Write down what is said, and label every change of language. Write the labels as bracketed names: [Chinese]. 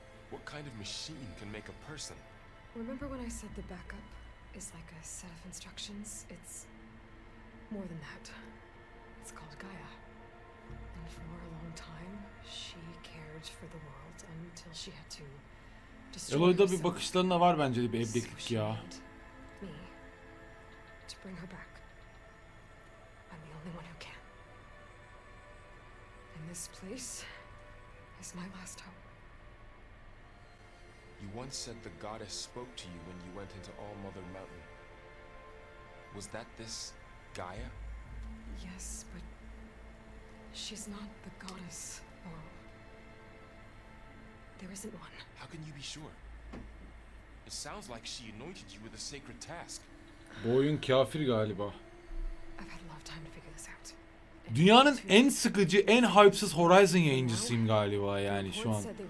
[English] What kind of machine can make a person? Remember when I said the backup is like a set of instructions? It's more than that. It's called Gaia. And for a long time, she cared for the world until she had to destroy herself. [Turkish] Eloy'da bir bakışlarına var bence de bir evliklik ya. [English] Me to bring her back. I'm the only one who can. In this place, it's my last hope. You once said the goddess spoke to you when you went into All Mother Mountain. Was that this Gaia? Yes, but she's not the goddess, or there isn't one. How can you be sure? It sounds like she anointed you with a sacred task. [Turkish] Bu oyun kafir galiba. [English] I've had a lot of time to figure this out. [Turkish] Dünyanın en sıkıcı, en hype'sız Horizon yayıncısıyım galiba yani şu an.